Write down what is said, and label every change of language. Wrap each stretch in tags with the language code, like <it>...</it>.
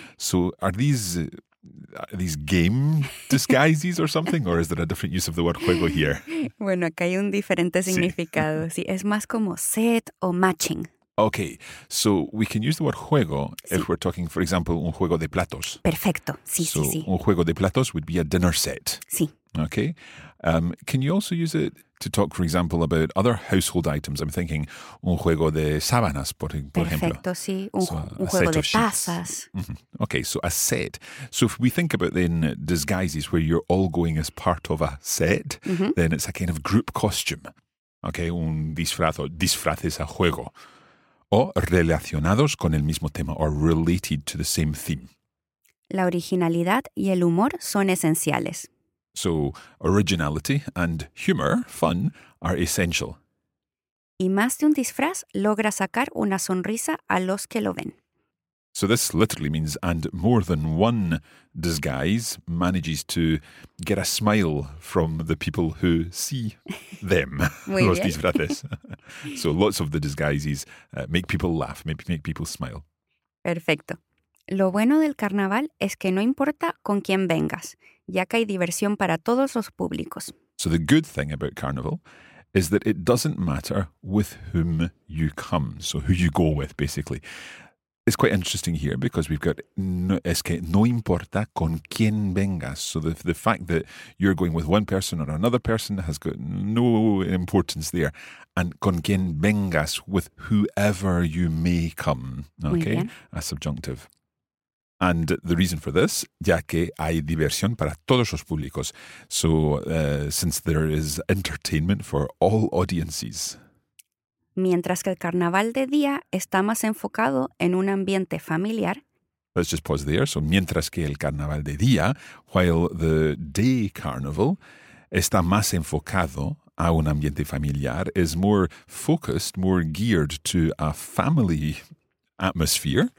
<en>So are these game disguises or something? Or is there a different use of the word juego here?</en> <es>Bueno, acá hay un diferente significado. Sí, es más como set o matching.</es> <en>Okay, so we can use the word juego if we're talking, for example,</en> <es>un juego de platos. Perfecto, sí. Un juego de platos</es> <en>would be a dinner set.</en> <es>Sí.</es> <en>Okay. Can you also use it to talk, for example, about other household items? I'm thinking</en> <es>un juego de sábanas, por perfecto, ejemplo. Perfecto, sí. Un juego de tazas. Mm-hmm.</es> <en>Okay, so a set. So if we think about then disguises where you're all going as part of a set, mm-hmm. then it's a kind of group costume.</en> <es>Okay, un disfraz o disfraces a juego. O relacionados con el mismo tema,</es> <en>or related to the same theme.</en> <es>La originalidad y el humor son esenciales.</es> <en>So, originality and humor, fun, are essential.</en> <es>Y más de un disfraz logra sacar una sonrisa a los que lo ven.</es> <en>So this literally means, and more than one disguise manages to get a smile from the people who see them,</en> <es>los disfraces.</es> <en>So lots of the disguises make people laugh, make people smile.</en> <es>Perfecto. Lo bueno del carnaval es que no importa con quién vengas, ya que hay diversión para todos los públicos.</es> <en>So the good thing about carnival is that it doesn't matter with whom you come, so who you go with, basically. It's quite interesting here because we've got no,</en> <es>es que no importa con quién vengas.</es> <en>So the fact that you're going with one person or another person has got no importance there. And</en> <es>con quién vengas,</es> <en>with whoever you may come. Okay, a subjunctive. And the reason for this,</en> <es>ya que hay diversión para todos los públicos.</es> <en>So since there is entertainment for all audiences.</en> <es>Mientras que el carnaval de día está más enfocado en un ambiente familiar.</es> <en>Let's just pause there. So,</en> <es>mientras que el carnaval de día,</es> <en>while the day carnival</en> <es>está más enfocado a un ambiente familiar,</es> <en>is more focused, more geared to a family atmosphere.</en>